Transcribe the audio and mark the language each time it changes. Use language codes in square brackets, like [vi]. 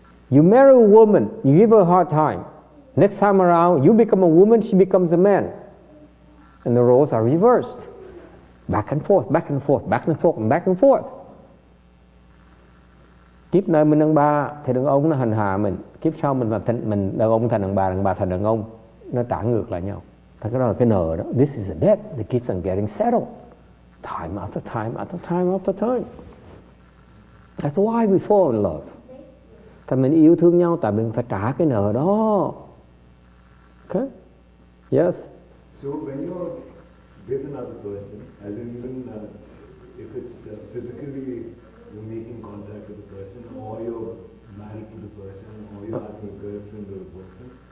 [en] You marry a woman, you give her a hard time. Next time around, you become a woman, she becomes a man. And the roles are reversed. Back and forth, back and forth, back and forth, back and forth. [vi] Kiếp nơi mình đàn bà, thì đàn ông nó hành hạ mình. Kiếp sau mình đàn ông thành đàn bà thành đàn ông. Nó trả ngược lại nhau. Thế cái đó là cái nợ đó. [en] This is a debt that keeps on getting settled. Time after time after time after time. That's why we fall in love. [vi] Tại mình yêu thương nhau, tại mình phải trả cái nợ đó. [en] Okay? Yes? So when you're with another person, as in even if it's physically you're making contact with the person, or you're married to the person, or you're having a girlfriend or a boyfriend,